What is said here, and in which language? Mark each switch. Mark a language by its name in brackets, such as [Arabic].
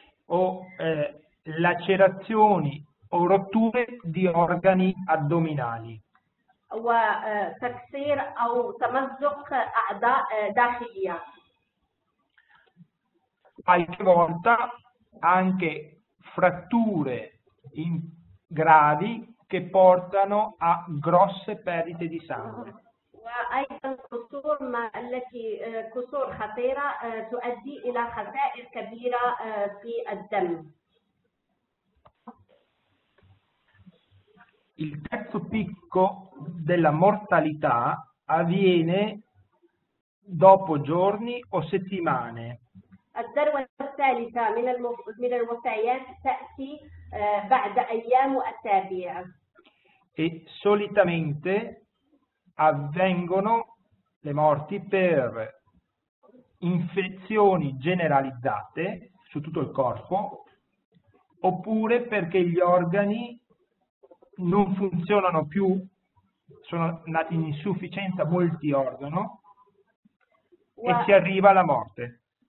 [Italian] O lacerazioni o rotture di organi addominali. [Arabic] وتكسير أو تمزق أعضاء داخلية. [Italian] Qualche volta anche fratture in gravi che portano a grosse perdite di sangue. [Arabic] وايضا كسور ما التي كسور خطيره تؤدي الى خسائر كبيره في الدم. [Italian] Il terzo picco della mortalità avviene dopo giorni o settimane. [Arabic] الذروه الثالثه من الوفيات تاتي بعد ايام واسابيع. [Italian] E solitamente avvengono le morti per infezioni generalizzate su tutto il corpo oppure perché gli organi non funzionano più, sono nati in insufficienza molti organi e si arriva alla morte.